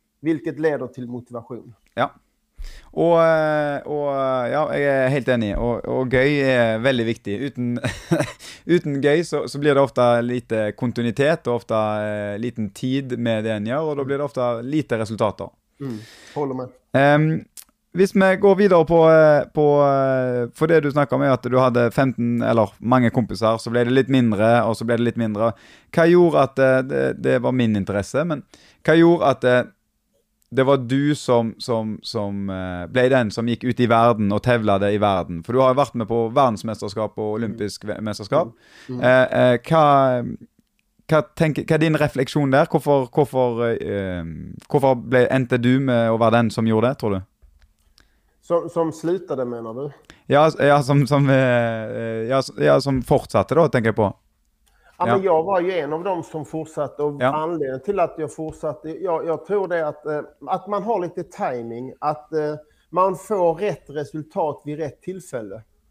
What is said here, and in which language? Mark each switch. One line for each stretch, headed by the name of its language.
Swedish: Vilket leder till motivation. Ja. Och ja, jag är helt enig. Och göj är väldigt viktigt. Utan göj så blir det ofta lite kontinuitet och ofta liten tid med det ni gör, och då blir det ofta lite resultat då. Mm, håller med.
Norwegian: Hvis vi går videre på for det du snakket om er at du hadde 15 eller mange kompiser, så ble det litt mindre, og så ble det litt mindre. Hva gjorde at det var min interesse, men hva gjorde at det var du som ble den som gikk ut i verden og tevlet det i verden? For du har jo vært med på verdensmesterskap og olympisk mesterskap. Hva er din refleksjon der? Hvorfor endte du med å være den som gjorde det, tror du?
Swedish: Som slutade, menar du? Ja, som fortsatte då, tänker jag på. Ja, men jag var ju en av dem som fortsatte, och ja. Anledningen till att jag fortsatte, jag tror det att man har lite timing, att man får rätt resultat vid rätt tillfälle.